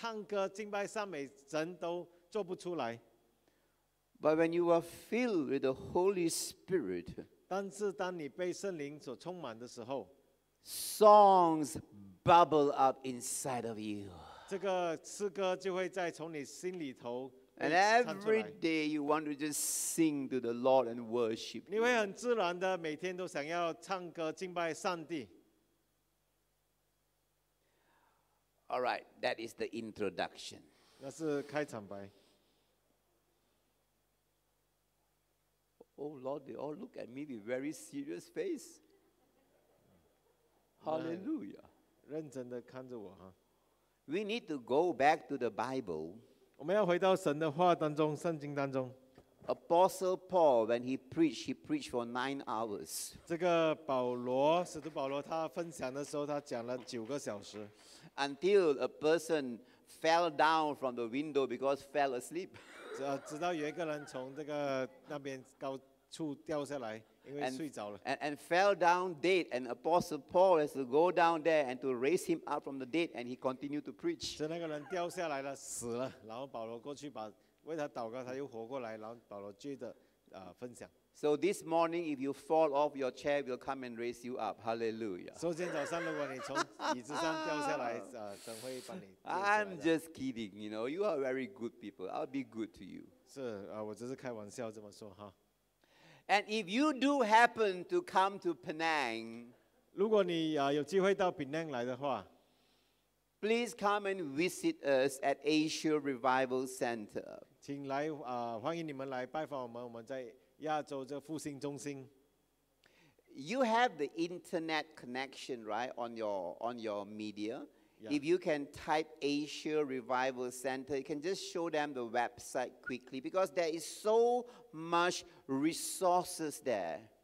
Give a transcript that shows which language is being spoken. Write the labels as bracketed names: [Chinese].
[Chinese] 所以就是这样的原因，他们连唱歌敬拜赞美神都做不出来。 [English] But when you are filled with the Holy Spirit, [Chinese] 但是当你被圣灵所充满的时候， [English] songs bubble up inside of you. [Chinese] 这个诗歌就会在从你心里头。 [English] And every day you want to just sing to the Lord and worship. [Chinese] 你会很自然的每天都想要唱歌敬拜上帝。 [English] All right, that is the introduction. [Chinese] 那是开场白。 [English] Oh Lord, they all look at me with very serious face. Hallelujah. [Chinese] 认真地看着我, huh? [English] We need to go back to the Bible. [Chinese] 我们要回到神的话当中, 圣经当中。 [English] Apostle Paul, when he preached for 9 hours. [Chinese] 这个保罗, 使徒保罗, 他分享的时候, 他讲了9个小时。 [English] Until a person fell down from the window because fell asleep. [Chinese] 直到有一个人从这个那边高处掉下来, 因为睡着了。 [English] And fell down dead, and Apostle Paul has to go down there and to raise him up from the dead, and he continued to preach. [Chinese] 是那个人掉下来了, 死了, 然后保罗过去把, 为他祷告, 他又活过来, 然后保罗接着, 分享。 [English] So this morning, if you fall off your chair, we'll come and raise you up. Hallelujah. [Chinese] 所以今天早上如果你从椅子上掉下来, 神会帮你。 [English] I'm just kidding, you know, you are very good people. I'll be good to you. [Chinese] 是, 我只是开玩笑这么说, 哈。 [English] And if you do happen to come to Penang, [Chinese] 如果你, 有机会到 Penang 来的话, [English] please come and visit us at Asia Revival Center. [Chinese] 请来, 欢迎你们来拜访我们, 我们在 亚洲这复兴中心, [English] you have the internet connection, right, on your media. Yeah. If you can type Asia Revival Center, you can just show them the website quickly because there is so much resources there.